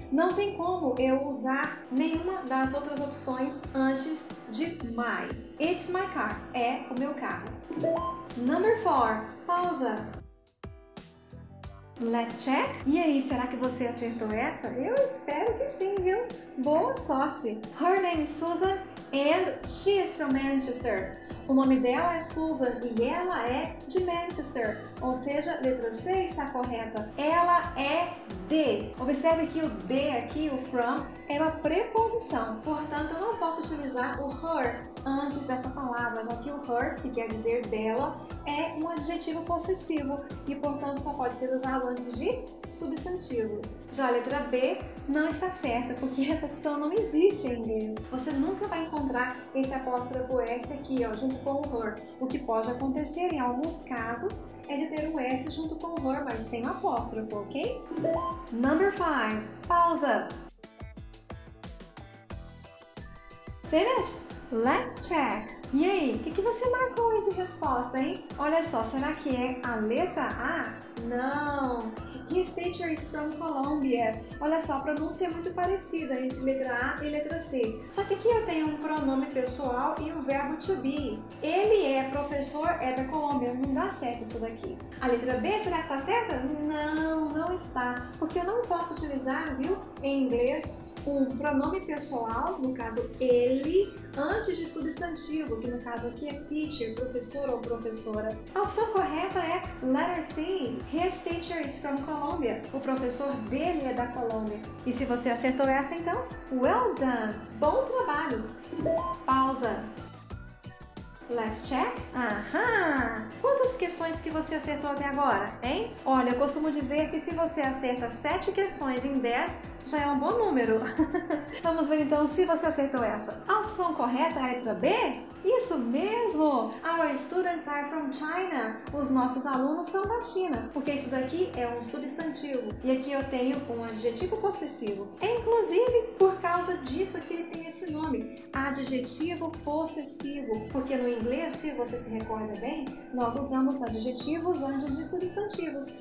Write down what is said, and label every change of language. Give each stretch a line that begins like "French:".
Portuguese: Não tem como eu usar nenhuma das outras opções antes de my.
English: It's my car.
Portuguese: É o meu carro.
English: Number 4.
Portuguese: Pausa.
English: Let's check.
Portuguese: E aí, será que você acertou essa? Eu espero que sim, viu? Boa sorte.
English: Her name is Susan and she is from Manchester.
Portuguese: O nome dela é Susan e ela é de Manchester, ou seja, letra C está correta. Ela é de. Observe que o de aqui, o from, é uma preposição. Portanto, eu não posso utilizar o her antes dessa palavra, já que o her, que quer dizer dela, é um adjetivo possessivo e, portanto, só pode ser usado antes de substantivos. Já a letra B não está certa, porque essa opção não existe em inglês. Você nunca vai encontrar esse apóstrofo S aqui, ó, junto com o her. O que pode acontecer, em alguns casos, é de ter um S junto com o her, mas sem o apóstrofo, ok?
English: Number 5.
Portuguese: Pausa.
English: Finished? Let's check.
Portuguese: E aí, o que você marcou aí de resposta, hein? Olha só, será que é a letra A? Não.
English: His teacher is from Colombia.
Portuguese: Olha só, a pronúncia é muito parecida entre letra A e letra C. Só que aqui eu tenho um pronome pessoal e um verbo to be. Ele é professor, é da Colômbia. Não dá certo isso daqui. A letra B, será que está certa? Não, não está. Porque eu não posso utilizar, viu, em inglês, um pronome pessoal, no caso ele, antes de substantivo, que no caso aqui é teacher, professor ou professora. A opção correta é letter C.
English: His teacher is from Colombia.
Portuguese: O professor dele é da Colômbia. E se você acertou essa, então,
English: well done!
Portuguese: Bom trabalho! Pausa!
English: Let's check. Aham!
Portuguese: Quantas questões que você acertou até agora, hein? Olha, eu costumo dizer que se você acerta 7 questões em 10, Já é um bom número. Vamos ver então se você acertou essa. A opção correta é a letra B? Isso mesmo!
English: Our students are from China.
Portuguese: Os nossos alunos são da China. Porque isso daqui é um substantivo. E aqui eu tenho um adjetivo possessivo. É inclusive por causa disso que ele tem esse nome. Adjetivo possessivo. Porque no inglês, se você se recorda bem, nós usamos adjetivos antes de substantivos.